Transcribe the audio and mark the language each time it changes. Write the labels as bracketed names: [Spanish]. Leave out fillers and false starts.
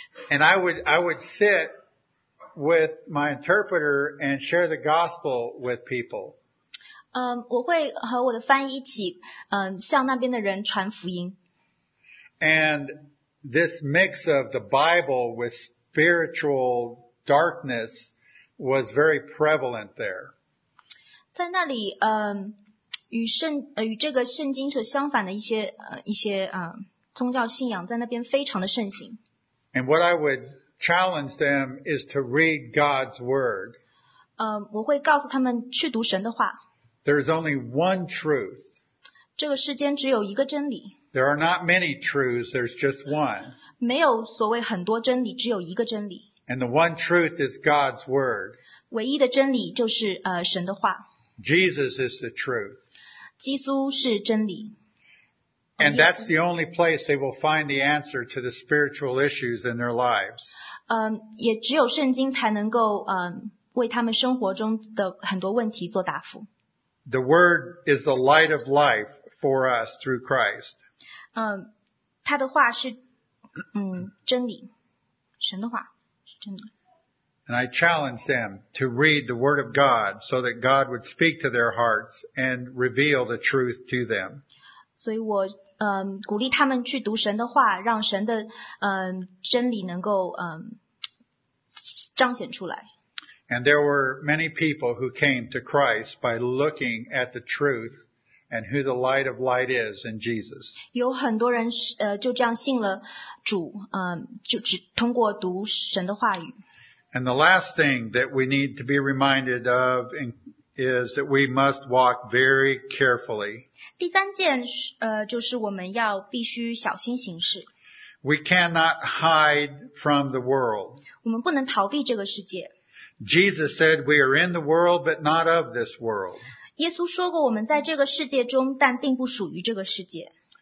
[English] And I would sit with my interpreter and share the gospel with people. [Chinese] 我会和我的翻译一起向那边的人传福音。 [English] And this mix of the Bible with spiritual darkness was very prevalent there. [Chinese] 在那里与这个圣经所相反的一些宗教信仰在那边非常的盛行。 [English] And what I would challenge them is to read God's word. [Chinese] 我会告诉他们去读神的话。 [English] There is only one truth. [Chinese] 这个世间只有一个真理。 [English] There are not many truths, there's just one. [Chinese] 没有所谓很多真理，只有一个真理。 [English] And the one truth is God's word. [Chinese] 唯一的真理就是神的话。 [English] Jesus is the truth. [Chinese] 基督是真理。 [English] And that's the only place they will find the answer to the spiritual issues in their lives. [Chinese] 也只有圣经才能够为他们生活中的很多问题做答复。 [English] The word is the light of life for us through Christ. [Chinese] 他的话是真理，神的话是真理。 [English] And I challenge them to read the word of God so that God would speak to their hearts and reveal the truth to them. [Chinese] 所以我鼓励他们去读神的话，让神的真理能够彰显出来。 [English] And there were many people who came to Christ by looking at the truth and who the light of light is in Jesus. [Chinese] 有很多人就这样信了主，就只通过读神的话语。 [English] And the last thing that we need to be reminded of is that we must walk very carefully. [Chinese] 第三件就是我们要必须小心行事。 [English] We cannot hide from the world. [Chinese] 我们不能逃避这个世界。 [English] Jesus said, we are in the world, but not of this world. [Chinese] 耶稣说过我们在这个世界中，但并不属于这个世界。